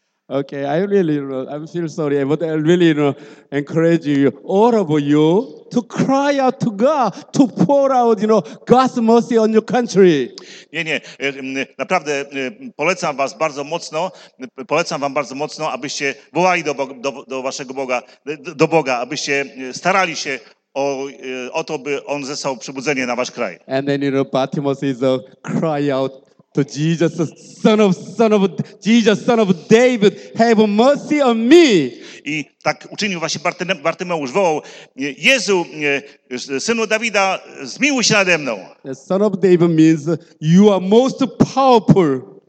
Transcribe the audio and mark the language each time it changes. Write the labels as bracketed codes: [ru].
[en] Okay, I really, you know, I'm feel sorry, but I really, you know, encourage you, all of you, to cry out to God, to pour out, you know, God's mercy on your country. [pl] Nie, naprawdę polecam wam bardzo mocno, abyście wołali do waszego Boga, do Boga, abyście starali się o to, by on zesłał przebudzenie na wasz kraj. [en] And then, you know, Bartimaeus is a cry out. To Jesus, son of Jesus, son of David, have mercy on me. [pl] I tak uczynił właśnie Bartymeusz, wołał: Jezu, synu Dawida, zmiłuj się nade mną. [en] Son of David means you are most powerful.